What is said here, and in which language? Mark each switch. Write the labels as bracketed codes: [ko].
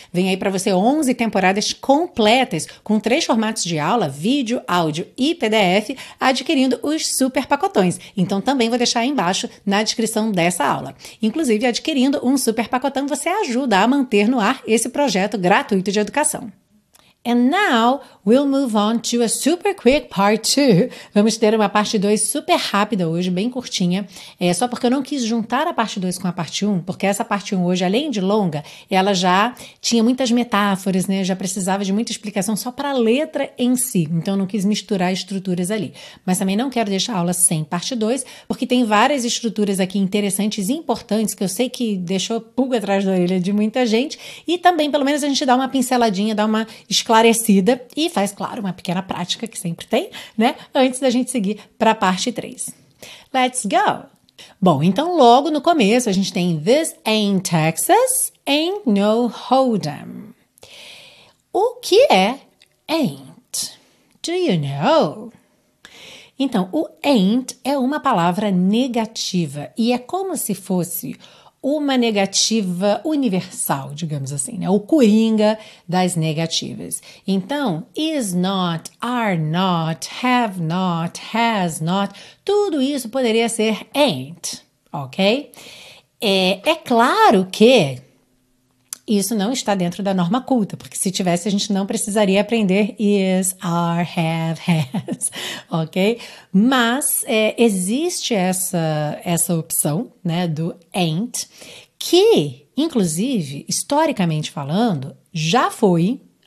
[pt] Vem aí para você 11 temporadas completas, com 3 formatos de aula, vídeo, áudio e PDF, adquirindo os super pacotões. Então, também vou deixar aí embaixo na descrição dessa aula. Inclusive, adquirindo um super pacotão, você ajuda a manter no ar esse projeto gratuito de educação. [en] And now, we'll move on to a super quick part 2. [pt] Vamos ter uma parte 2 super rápida hoje, bem curtinha. É só porque eu não quis juntar a parte 2 com a parte 1, porque essa parte 1 hoje, além de longa, ela já tinha muitas metáforas, né? Já precisava de muita explicação só para a letra em si. Então, eu não quis misturar estruturas ali. Mas também não quero deixar a aula sem parte 2, porque tem várias estruturas aqui interessantes e importantes que eu sei que deixou pulga atrás da orelha de muita gente. E também, pelo menos, a gente dá uma pinceladinha, dá uma esclarecida e faz, claro, uma pequena prática que sempre tem, né? Antes da gente seguir para a parte 3. [en] Let's go! [pt] Bom, então logo no começo a gente tem [en] This ain't Texas, ain't no hold'em. [pt] O que é ain't? [en] Do you know? [pt] Então, o ain't é uma palavra negativa e é como se fosse... uma negativa universal, digamos assim, né? O coringa das negativas. Então, is not, are not, have not, has not, tudo isso poderia ser ain't, ok? É claro que isso não está dentro da norma culta, porque se tivesse, a gente não precisaria aprender is, are, have, has, ok? Mas existe essa opção, né, do ain't, que, inclusive, historicamente falando, já foi